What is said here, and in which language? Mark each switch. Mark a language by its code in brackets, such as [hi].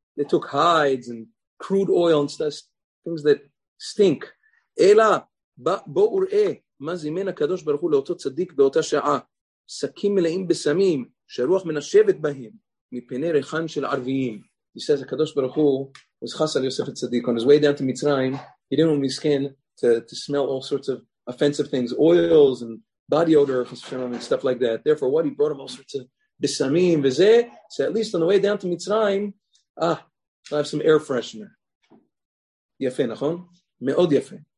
[en] They took hides and crude oil and stuff, things that stink. [he] Ela bo ur'e. מזימן הקדוש ברוך הוא לאותו צדיק באותה שעה, סכים מלאים בסמים, שרוח מנשבת בהם, מפני ריחן של ערביים. [en] He says, הקדוש ברוך הוא was חס על יוסף הצדיק. On his way down to Mitzrayim, he didn't want to be skin to smell all sorts of offensive things, oils and body odor and stuff like that. Therefore, what? He brought him all sorts of [he] בסמים וזה. [en] So at least on the way down to Mitzrayim, I'll have some air freshener. [he] יפה, נכון? מאוד יפה.